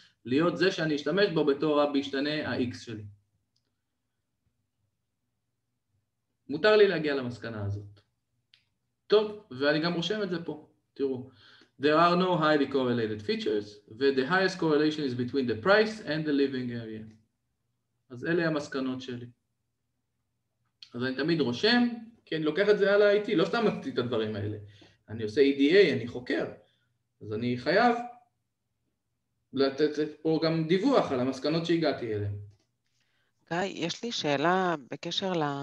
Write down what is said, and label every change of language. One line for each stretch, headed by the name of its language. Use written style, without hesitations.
Hebrew: להיות זה שאני אשתמש בו בתור המשתנה ה-X שלי. מותר לי להגיע למסקנה הזאת. טוב, ואני גם רושם את זה פה.
English: תראו, there are no highly correlated features, and the highest correlation is between the price and the living area.
Hebrew: אז אלה המסקנות שלי. אז אני תמיד רושם, כי אני לוקח את זה על ה-IT, לא סתם עשיתי את הדברים האלה. אני עושה EDA, אני חוקר, אז אני חייב לתת פה גם דיווח על המסקנות שהגעתי אליהם. גיא, יש לי שאלה בקשר ל...